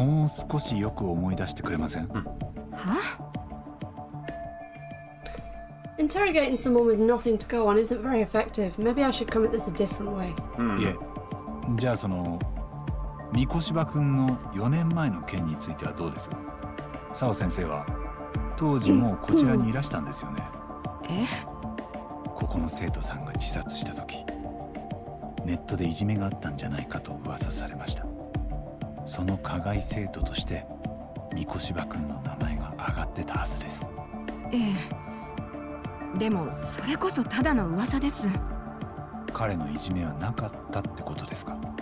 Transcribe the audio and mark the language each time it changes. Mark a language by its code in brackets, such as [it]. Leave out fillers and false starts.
[ja] 彼が失踪する前、何か変わったことなかったですか?トラブルを抱えていた様子とか。さあ、あの子は突然実習に来なくなったんです。それ以上は何も。もう少しよく思い出してくれません? は? [en] Interrogating someone with nothing to go on isn't very effective. Maybe I should come at this a different way. [ja] いえ、じゃあその… 三越葉くんの4年前の件については、どうですか?沢先生は、当時もうこちらにいらしたんですよね。え?ここの生徒さんが自殺した時、ネットでいじめがあったんじゃないかと噂されました。その加害生徒として、三越葉くんの名前が上がってたはずです。ええ。でも、それこそただの噂です。彼のいじめはなかったってことですか?